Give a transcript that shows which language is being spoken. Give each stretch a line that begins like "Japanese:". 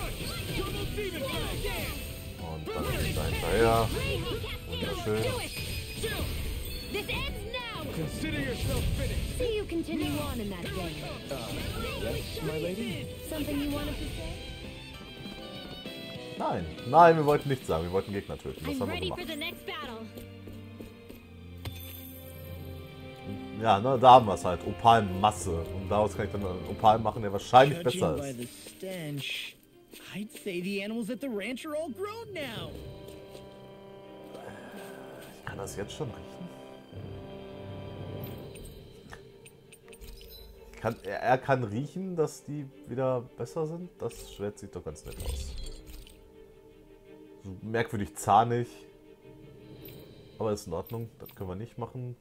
German: Und dann ist da hinterher. Wunderschön.
English: Consider yourself finished. See you continue on in that game. Yes, my lady. Something you wanted to say?
German: Nein, nein, wir wollten nichts sagen. Wir wollten Gegner töten. Das haben wir gemacht. Ja, ne, da haben wir es halt. Opalmasse. Und daraus kann ich dann einen Opal machen, der wahrscheinlich besser ist.
English: Judging by the stench, I'd say the animals at the ranch are all grown now.
German: Ich kann das jetzt schon riechen. Er kann riechen, dass die wieder besser sind. Das Schwert sieht doch ganz nett aus. Merkwürdig zahnig. Aber ist in Ordnung. Das können wir nicht machen.